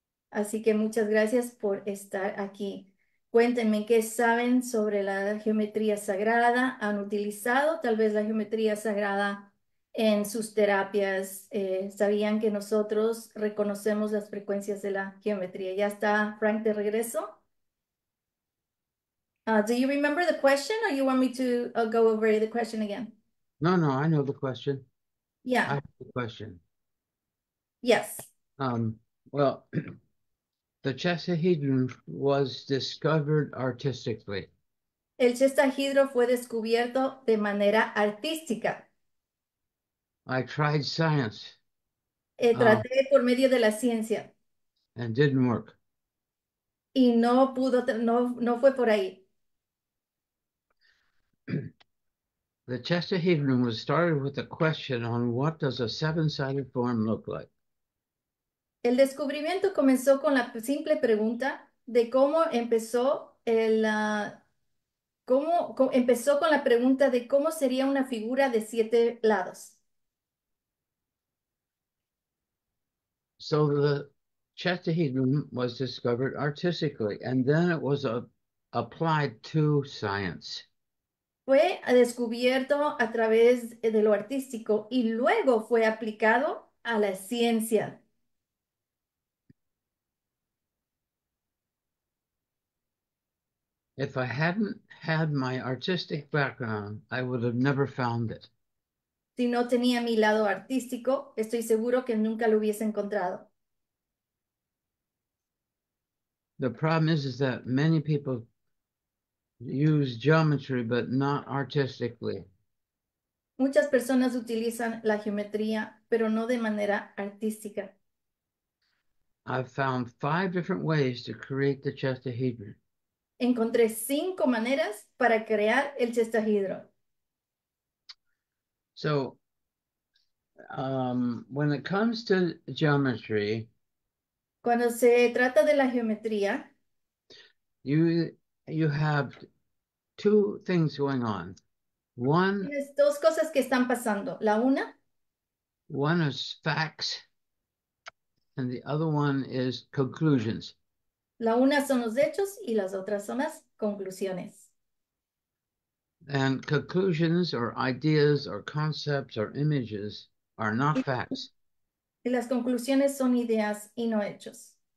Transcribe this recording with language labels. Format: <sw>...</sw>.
<es>Así que muchas gracias por estar aquí. Cuéntenme qué saben sobre la geometría sagrada. ¿Han utilizado tal vez la geometría sagrada en sus terapias? ¿Sabían que nosotros reconocemos las frecuencias de la geometría? ¿Ya está Frank de regreso?</es> <en>Do you remember the question, or you want me to go over the question again? No, no, I know the question. Yeah. I have the question. Yes. Well, the chestahedron was discovered artistically.</en> <es>El chestahedro fue descubierto de manera artística.</es> <en>I tried science.</en> <es>Traté por medio de la ciencia.</es> <en>And didn't work.</en> <es>Y no pudo, no fue por ahí.</es> <en>The chestahedron was started with a question on what does a seven-sided form look like?</en> <es>El descubrimiento comenzó con la simple pregunta de cómo empezó empezó con la pregunta de cómo sería una figura de siete lados.</es> <en>So the chestahedron was discovered artistically, and then it was applied to science.</en> <es>Fue descubierto a través de lo artístico y luego fue aplicado a la ciencia.</es> <en>If I hadn't had my artistic background, I would have never found it.</en> <es>Si no tenía mi lado artístico, estoy seguro que nunca lo hubiese encontrado.</es> <en>The problem is that many people use geometry, but not artistically.</en> <es>Muchas personas utilizan la geometría, pero no de manera artística.</es> <en>I've found five different ways to create the chestahedron.</en> <es>Encontré cinco maneras para crear el chestahedro.</es> <en>So, when it comes to geometry,</en> <es>Cuando se trata de la geometría,</es> <en>you have two things going on. One,</en> <es>tienes dos cosas que están pasando. La una,</es> <en>one is facts, and the other one is conclusions.</en> <es>La una son los hechos y las otras son las conclusiones.</es> <en>And conclusions or ideas or concepts or images are not facts.</en> <es>Y las conclusiones son ideas y no hechos.</es>